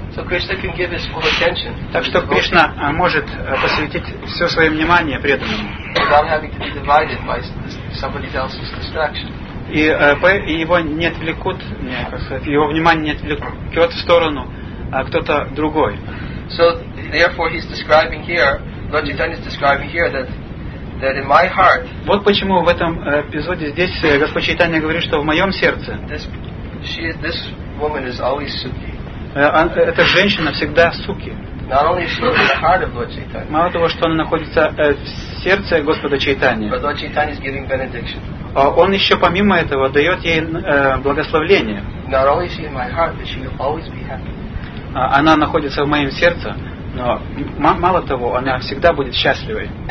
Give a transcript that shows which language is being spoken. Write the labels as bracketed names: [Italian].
[English] So Krishna can give his full attention. [Russian] Так что Кришна может посвятить все свое внимание преданному. [English] Without having to be divided by somebody else's distraction. [Russian] Его внимание не отвлекет в сторону кто-то другой. [English] So therefore he's describing here, Lord Chaitanya is describing here that that in my heart. [Russian] Вот почему в этом эпизоде здесь Господь Чайтанья говорит, что в моем сердце. [English] This woman is always Suki. [Russian] Эта женщина всегда суки. [English] Not only she is in the heart of Lord Chaitanya. [Russian] Мало того, что она находится в сердце Господа Чайтаньи. [English] But Lord Chaitanya is giving benediction. [Russian] Он еще помимо этого дает ей благословение. [English] Not only is she in my heart, but she will always be happy. [Russian] Она находится в моем сердце. Но мало того, она всегда будет счастливой.